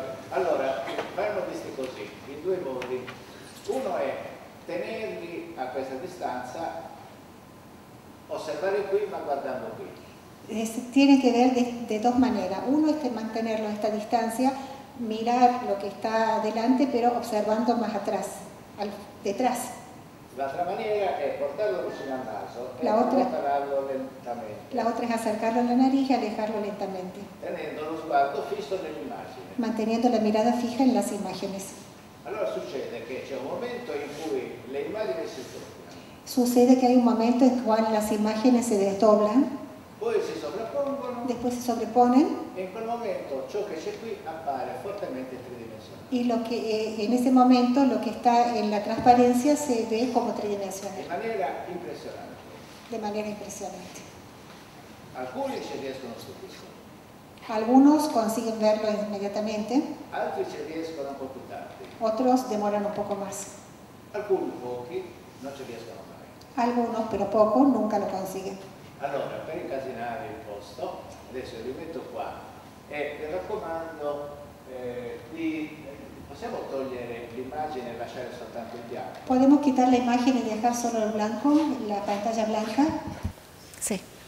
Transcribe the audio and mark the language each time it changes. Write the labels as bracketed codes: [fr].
[it] Allora, vanno visti così, in due modi. Uno è tenerli a questa distanza, osservare qui ma guardando qui. [es] Tiene que ver de dos maneras. Uno es mantenerlo a esta distancia, mirar lo que está adelante, pero observando más atrás, detrás. [it] L'altra maniera è portarlo vicino al naso e portarlo lentamente. [es] La otra es acercarlo a la nariz y alejarlo lentamente. [it] Tenendo lo sguardo fisso nelle immagini. [es] Manteniendo la mirada fija en las imágenes. [it] Allora succede che c'è un momento in cui le immagini si toccano. [es] Sucede que hay un momento en cual las imágenes se desdoblan. [it] Poi si sovrappongono. [es] Después se sobreponen. [it] E in quel momento ciò che c'è qui appare fortemente tridimensionale. Y lo que en ese momento lo que está en la transparencia se ve como tridimensional. [es] De manera impresionante. De manera impresionante. [it] Alcuni ci riescono subito. [es] Algunos consiguen verlo inmediatamente. [it] Altri ci riescono un po' più tardi. [es] Otros demoran un poco más. [it] Alcuni pochi non ci riescono mai. [es] Algunos, pero pocos, nunca lo consiguen. [it] Allora, per incasinare il posto, adesso li metto qua, e vi raccomando di... possiamo togliere l'immagine e lasciare soltanto il bianco? Possiamo quitar la immagine e lasciare solo il bianco, [es] la pantalla blanca? [it] Sì.